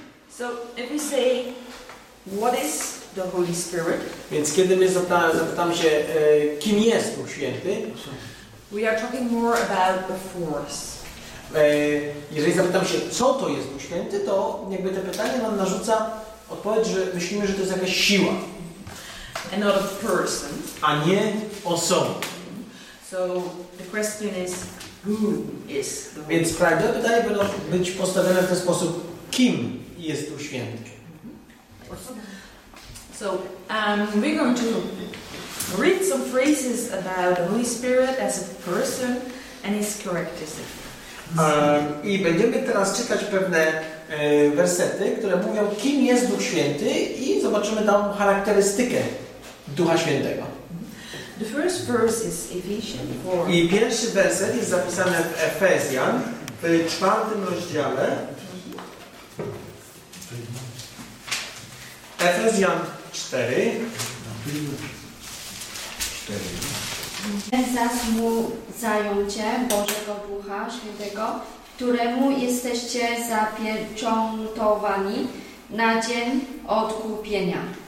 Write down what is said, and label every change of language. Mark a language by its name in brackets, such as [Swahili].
[English] So if we say, what is the Holy Spirit? [Polish] Więc kiedy my zapytamy się, kim jest Duch Święty? [English] We are talking more about the force. [Polish] Jeżeli zapytam się, co to jest Duch Święty, to jakby to pytanie nam narzuca odpowiedź, że myślimy, że to jest jakaś siła. [English] And not a person. [Polish] A nie osoba. [English] So the question is, who is the Holy Spirit? [Polish] Więc prawdziwe pytanie będą być postawione w ten sposób, kim jest Duch Święty? [English] So we're going to read some phrases about the Holy Spirit as a person and his characteristics. [Polish] I będziemy teraz czytać pewne wersety, które mówią, kim jest Duch Święty, i zobaczymy tam charakterystykę Ducha Świętego. [English] The first verse is Ephesians 4. [Polish] I pierwszy werset jest zapisany w Efezjan, w 4 rozdziale. Efezjan 4. Zas mu zajęcie Bożego Ducha Świętego, któremu jesteście zapieczątowani na dzień odkupienia.